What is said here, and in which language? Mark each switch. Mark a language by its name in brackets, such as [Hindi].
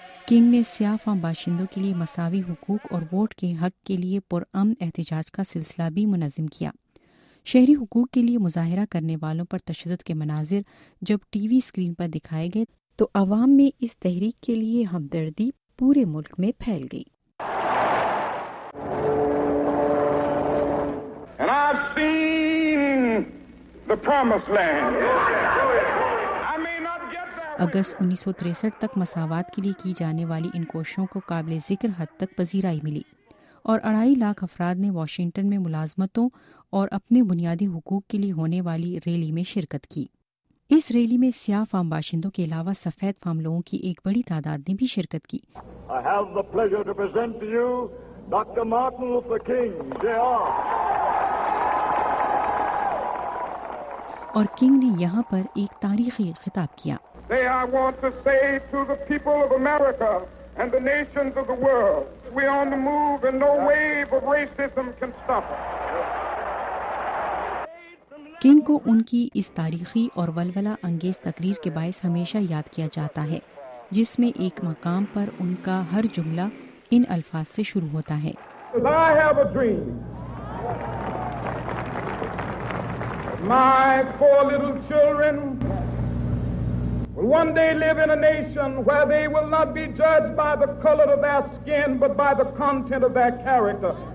[Urdu] King نے سیاہ فام باشندوں کے لیے مساوی حقوق اور ووٹ کے حق کے لیے پرامن احتجاج کا سلسلہ بھی منظم کیا. شہری حقوق کے لیے مظاہرہ کرنے والوں پر تشدد کے مناظر جب ٹی وی اسکرین پر دکھائے گئے تو عوام میں اس تحریک کے لیے ہمدردی پورے ملک میں پھیل گئی. [English] And I've seen the promised land. [Urdu] اگست 1963 تک مساوات کے لیے کی جانے والی ان کوششوں کو قابل ذکر حد تک پذیرائی ملی اور 2.5 لاکھ افراد نے واشنگٹن میں ملازمتوں اور اپنے بنیادی حقوق کے لیے ہونے والی ریلی میں شرکت کی. اس ریلی میں سیاہ فام باشندوں کے علاوہ سفید فام لوگوں کی ایک بڑی تعداد نے بھی شرکت کی. [English] I have the pleasure to present to you Dr. Martin Luther King, Jr. [Urdu] اور کنگ نے یہاں پر ایک تاریخی خطاب کیا. [English] Today I want to say to the people of America and the nations of the world, we are on the move and no wave of racism can stop us. [Urdu] King کو ان کی اس تاریخی اور ولولہ انگیز تقریر کے باعث ہمیشہ یاد کیا جاتا ہے جس میں ایک مقام پر ان کا ہر جملہ ان الفاظ سے شروع ہوتا ہے. [English] I have a dream. My four little children will one day live in a nation where they will not be judged by the color of their skin but by the content of their character.